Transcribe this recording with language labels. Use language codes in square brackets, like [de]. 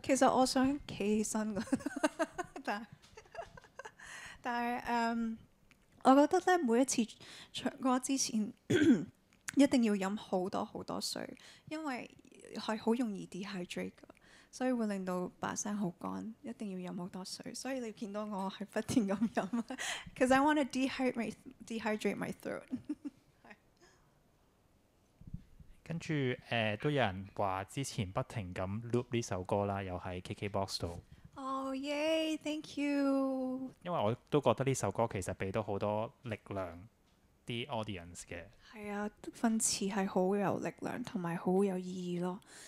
[yue] 其實我想企起身嘅，但係我覺得咧，每一次唱歌之前一定要飲好多好多水，因為係好容易 dehydrate 㗎。所以會令到把聲好乾，一定要飲好多水。所以你見到我係不斷咁飲， [en] because I want to dehydrate my throat 。 [yue] 跟住都有人話之前不停咁 loop 呢首歌啦，又喺 KKBOX 度。 [en] Oh yay! Thank you。 [yue] 因為我都覺得呢首歌其實俾到好多力量啲 audience 嘅。係啊，分詞係好有力量，同埋好有意義咯。